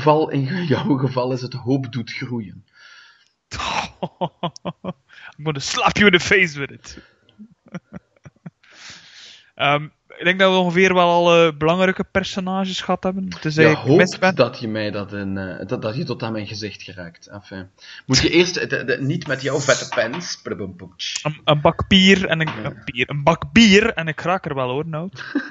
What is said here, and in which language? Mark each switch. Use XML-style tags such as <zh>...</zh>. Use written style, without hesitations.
<nl>In jouw geval is het hoop doet groeien.</nl> <en>I'm gonna slap you in the face with it.</en> <nl>Ik denk dat we ongeveer wel alle belangrijke personages gehad hebben. Dus ja, hoop dat je mij dat je tot aan mijn gezicht geraakt. Enfin, moet je eerst niet met jouw vette pens. Een bak bier en een bak bier en ik raak er wel hoor, Nout.</nl>